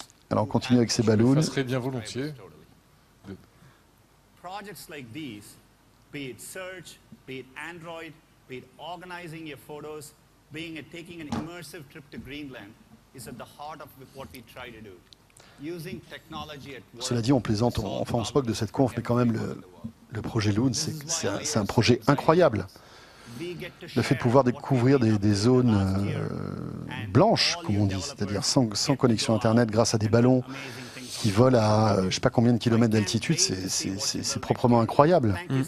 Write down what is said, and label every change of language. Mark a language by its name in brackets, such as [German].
[French] Alors, on continue avec ces balloons. Ça serait bien volontiers. [English] Projects like these. Be it search, be it Android, be it organizing your photos, being a taking an immersive trip to Greenland is at the heart of what we try to do. Using technology at work. [French] Cela dit, on plaisante, on se moque de cette conf, mais quand même le projet Loon, c'est un projet incroyable. Le fait de pouvoir découvrir des zones blanches, comme on dit, c'est-à-dire sans connexion Internet, grâce à des ballons. qui vole à je sais pas combien de kilomètres d'altitude, c'est proprement incroyable.